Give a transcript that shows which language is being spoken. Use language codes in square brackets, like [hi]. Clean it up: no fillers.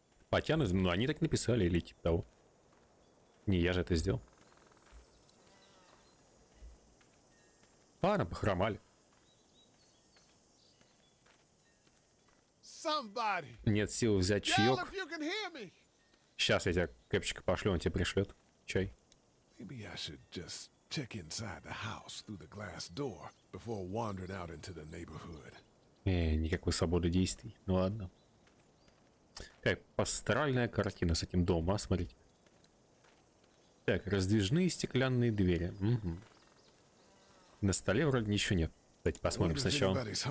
[ru] Потянут, ну они так написали или типа того. Не, я же это сделал. Ладно, похромали. Нет сил взять чаек. Сейчас я тебя кепчика пошлю, он тебе пришлет чай. [en] Maybe I should just check inside the house through the glass door before wandering out into the neighborhood. [ru] Никакой свободы действий. Ну ладно. Так, пасторальная картина с этим домом, а смотрите. Так, раздвижные стеклянные двери. На столе вроде ничего нет. Давайте посмотрим сначала.